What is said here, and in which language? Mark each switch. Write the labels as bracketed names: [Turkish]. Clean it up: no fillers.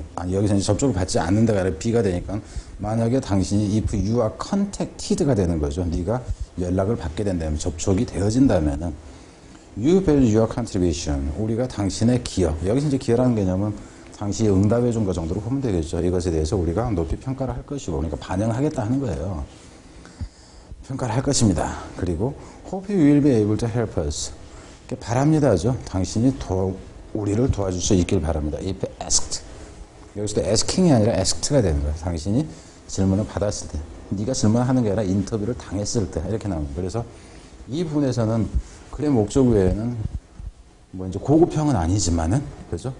[Korean] 여기서 이제 접촉을 받지 않는다가 아니라 B가 되니까 만약에 당신이 [English] if you are contacted [Korean] 가 되는 거죠. 네가 연락을 받게 된다면 접촉이 되어진다면 [English] you value your contribution. [Korean] 우리가 당신의 기여. 여기서 이제 기여라는 개념은 당신이 응답해 준 것 정도로 보면 되겠죠. 이것에 대해서 우리가 높이 평가를 할 것이고 그러니까 반영하겠다 하는 거예요. 평가를 할 것입니다. 그리고 [English] hope you will be able to help us. [Korean] 바랍니다죠. 당신이 우리를 도와줄 수 있길 바랍니다. [English] If asked. [Korean] 여기서도 asking이 아니라 asked가 되는 거예요. 당신이 질문을 받았을 때 네가 질문을 하는 게 아니라 인터뷰를 당했을 때 이렇게 나옵니다. 그래서 이 부분에서는 글의 목적 외에는 뭐 이제 고급형은 아니지만은 그죠?